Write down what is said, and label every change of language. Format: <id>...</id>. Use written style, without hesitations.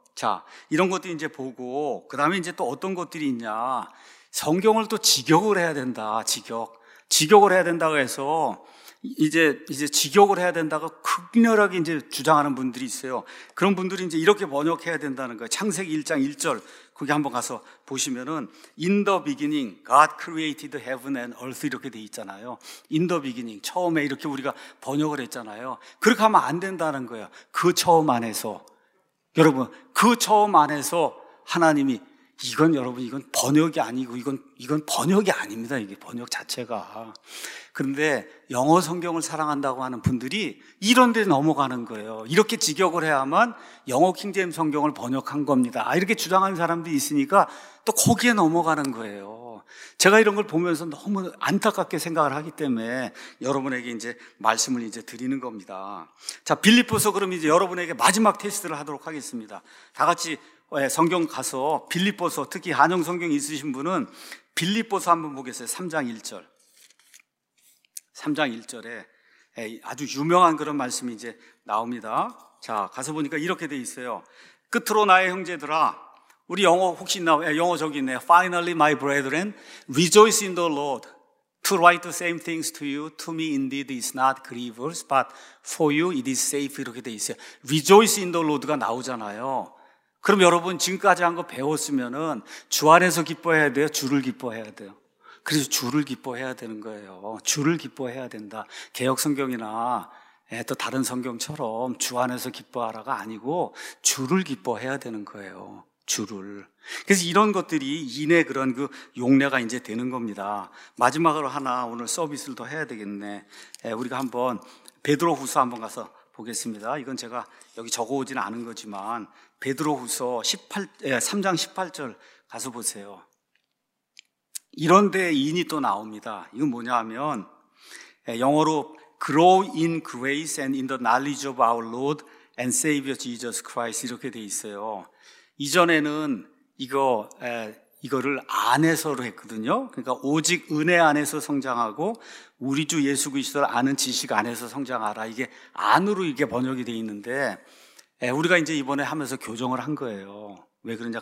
<ko>자, 이런 것도 이제 보고, 그 다음에 이제 또 어떤 것들이 있냐. 성경을 또 직역을 해야 된다. 직역. 직역을 해야 된다고 해서, 이제 직역을 해야 된다고 극렬하게 이제 주장하는 분들이 있어요. 그런 분들이 이제 이렇게 번역해야 된다는 거예요. 창세기 1장 1절. 거기 한번 가서 보시면은</ko> <en>In the beginning, God created heaven and earth</en> <ko>이렇게 돼 있잖아요.</ko> <en>In the beginning,</en> <ko>처음에 이렇게 우리가 번역을 했잖아요. 그렇게 하면 안 된다는 거예요. 그 처음 안에서 여러분, 그 처음 안에서 하나님이 이건 여러분 이건 번역이 아니고 이건 번역이 아닙니다. 이게 번역 자체가. 그런데 영어 성경을 사랑한다고 하는 분들이 이런 데 넘어가는 거예요. 이렇게 직역을 해야만 영어 킹제임 성경을 번역한 겁니다. 아, 이렇게 주장하는 사람도 있으니까 또 거기에 넘어가는 거예요. 제가 이런 걸 보면서 너무 안타깝게 생각을 하기 때문에 여러분에게 이제 말씀을 이제 드리는 겁니다. 자, 빌립보서 그럼 이제 여러분에게 마지막 테스트를 하도록 하겠습니다. 다 같이 성경 가서 빌립보서, 특히 한영 성경 있으신 분은 빌립보서 한번 보겠어요. 3장 1절. 3장 1절에 아주 유명한 그런 말씀이 이제 나옵니다. 자, 가서 보니까 이렇게 돼 있어요. 끝으로 나의 형제들아, 우리 영어 혹시 있나? 영어 저기 있네.</ko> <en>Finally, my brethren, rejoice in the Lord. To write the same things to you, to me indeed is not grievous, but for you it is safe.</en> <ko>이렇게 돼 있어요.</ko> <en>Rejoice in the Lord</en> <ko>가 나오잖아요. 그럼 여러분 지금까지 한 거 배웠으면은 주 안에서 기뻐해야 돼요? 주를 기뻐해야 돼요? 그래서 주를 기뻐해야 되는 거예요. 주를 기뻐해야 된다. 개역성경이나 또 다른 성경처럼 주 안에서 기뻐하라가 아니고 주를 기뻐해야 되는 거예요. 주를. 그래서 이런 것들이 인의 그런 그 용례가 이제 되는 겁니다. 마지막으로 하나 오늘 서비스를 더 해야 되겠네. 우리가 한번 베드로 후서 한번 가서 보겠습니다. 이건 제가 여기 적어오진 않은 거지만 베드로 후서 3장 18절 가서 보세요. 이런데 인이 또 나옵니다. 이건 뭐냐 하면 영어로</ko> <en>Grow in grace and in the knowledge of our Lord and Savior Jesus Christ</en> <ko>이렇게 돼 있어요. 이전에는 이거를 안에서로 했거든요. 그러니까 오직 은혜 안에서 성장하고 우리 주 예수 그리스도를 아는 지식 안에서 성장하라. 이게 안으로 이게 번역이 돼 있는데 우리가 이제 이번에 하면서 교정을 한 거예요. 왜 그러냐?</ko>